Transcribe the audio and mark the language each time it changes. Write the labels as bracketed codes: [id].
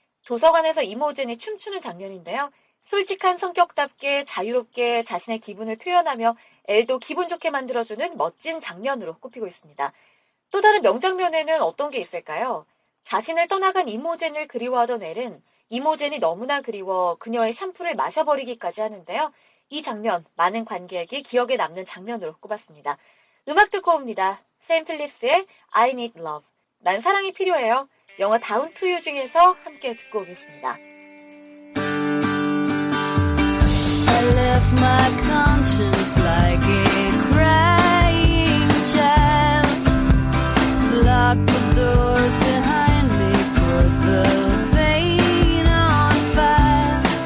[ko] 도서관에서 이모젠이 춤추는 장면인데요. 솔직한 성격답게 자유롭게 자신의 기분을 표현하며 엘도 기분 좋게 만들어주는 멋진 장면으로 꼽히고 있습니다. 또 다른 명장면에는 어떤 게 있을까요? 자신을 떠나간 이모젠을 그리워하던 엘은 이모젠이 너무나 그리워 그녀의 샴푸를 마셔버리기까지 하는데요. 이 장면 많은 관객에게 기억에 남는 장면으로 꼽았습니다. 음악 듣고 옵니다. 샘 필립스의 I Need Love. 난 사랑이 필요해요. 영화 다운 투 유 중에서 함께 듣고 오겠습니다. [en] I left my conscience like a crying child. Locked the doors behind me, put the pain on fire.